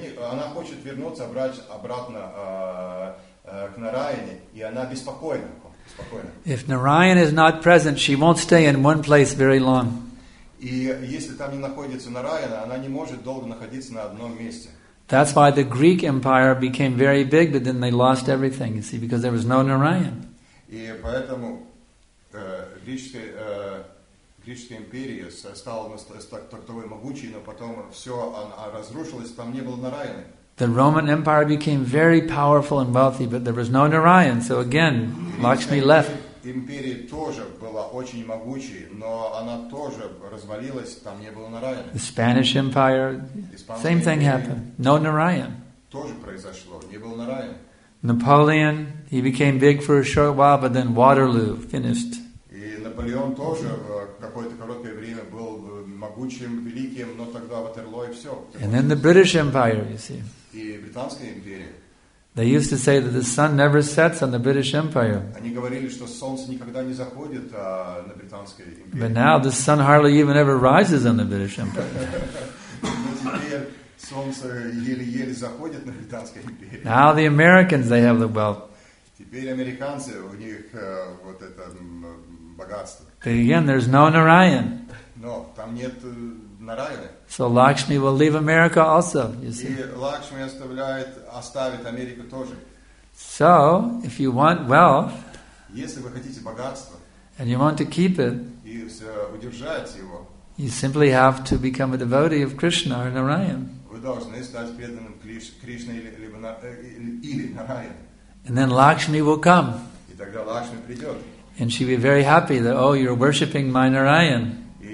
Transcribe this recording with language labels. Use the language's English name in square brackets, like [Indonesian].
[Russian] Она хочет вернуться обратно к Нараяне, и она беспокойна. [English] If Narayan is not present, she won't stay in one place very long. [Russian] И если там не находится Нараяна, она не может долго находиться на одном месте. [English] That's why the Greek Empire became very big, but then they lost everything, you see, because there was no Narayan. [Russian] И поэтому Греческая империя стала такой могучей, но потом все разрушилось, там не было Нараяны. [English] The Roman Empire became very powerful and wealthy, but there was no Narayan. So again, Lakshmi left. [Russian] Империя тоже была очень могучей, но она тоже развалилась, там не было Нараяна. [English] The Spanish Empire, same thing happened. No Narayan. [Russian] Тоже произошло, не было Нараяна. [English] Napoleon, he became big for a short while, but then Waterloo finished. [Russian] И Наполеон тоже какое-то короткое время был могучим, великим, но тогда Ватерлоо и все. [English] And then the British Empire, you see. [Russian] И Британская империя. [English] They used to say that the sun never sets on the British Empire. [Russian] Они говорили, что солнце никогда не заходит на Британской империи. [English] But now the sun hardly even ever rises on the British Empire. [Russian] Но теперь солнце еле-еле заходит на Британской империи. [English] Now the Americans, they have the wealth. [Russian] Теперь американцы, у них вот это богатство. [English] But again, there's no Narayan. No, [Russian] там нет Нараяны. [English] So Lakshmi will leave America also, you see. [Russian] И Лакшми оставит Америку тоже. [English] So, if you want wealth, [Russian] если вы хотите богатство, [English] and you want to keep it, [Russian] и удержать его, [English] you simply have to become a devotee of Krishna or Narayan. [Russian] Вы должны стать преданным Кришне или Нараяне. [English] And then Lakshmi will come. [Russian] И тогда Лакшми придет. [English] And she'd be very happy that, oh, you're worshipping my Narayan.